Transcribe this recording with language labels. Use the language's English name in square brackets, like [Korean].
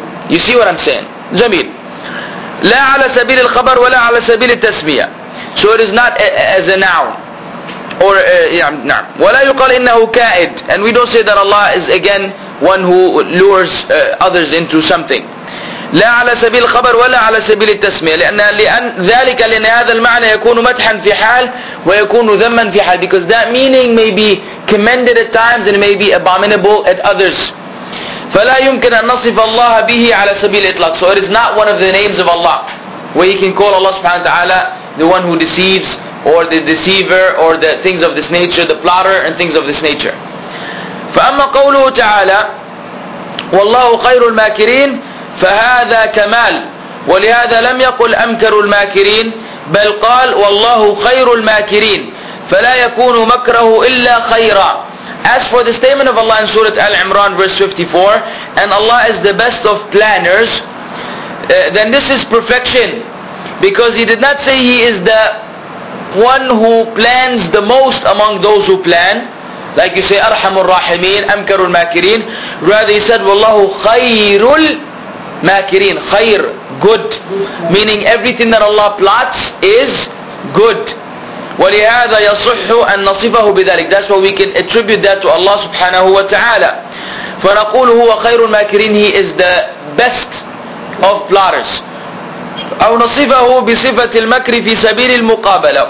[English] You see what I'm saying? [Arabic] جميل. لَا عَلَى سَبِيلِ الْخَبَرِ وَلَا عَلَى سَبِيلِ التَّسْمِيَةِ. [English] So it is not as a noun, or نعم. [Arabic] ولا يقال إنه كائد, [English] and we don't say that Allah is again one who lures others into something. [Arabic] لا على سبيل الخبر ولا على سبيل التسمية، لأن ذلك لأن هذا المعنى يكون مدحا في حال ويكون ذما في حال. [English] Because that meaning may be commended at times and may be abominable at others. [Arabic] فلا يمكن أن نصف الله به على سبيل الإطلاق. [English] So it is not one of the names of Allah where you can call Allah سبحانه وتعالى the one who deceives or the deceiver or the things of this nature, the plotter and things of this nature. [Arabic] فأما قوله تعالى والله خير الماكرين فهذا كمال، ولهذا لم يقل أمكر الماكرين بل قال والله خير الماكرين، فلا يكون مكره إلا خيرا. [English] As for the statement of Allah in Surah Al-Imran verse 54, and Allah is the best of planners, then this is perfection, because He did not say He is the one who plans the most among those who plan, like you say Arhamur Rahimin, Amkarul Makirin. Rather He said Wallahu Khairul Makirin, Khair, good, meaning everything that Allah plots is good. [Arabic] ولهذا يصح أن نصفه بذلك. [English] That's why we can attribute that to Allah سبحانه وتعالى. [Arabic] فنقول هو خير الماكرين. [English] He is the best of plotters. [Arabic] أو نصفه بصفة المكر في سبيل المقابلة.